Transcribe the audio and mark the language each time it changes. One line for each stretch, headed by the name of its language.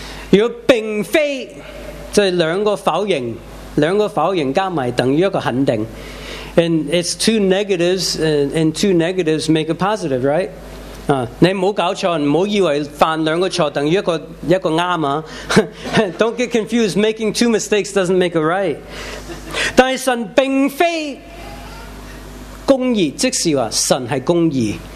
Chinese: 如果并非，就是两个否认，两个否认加埋等于一个肯定。
English: And it's two negatives, and two negatives make a positive, right?
Chinese: 你没搞错，不要以为犯两个错等于一个啱啊。
English: Don't get confused, making two mistakes doesn't make a right.
Chinese: 但是神并非 公义，即是说神是公义。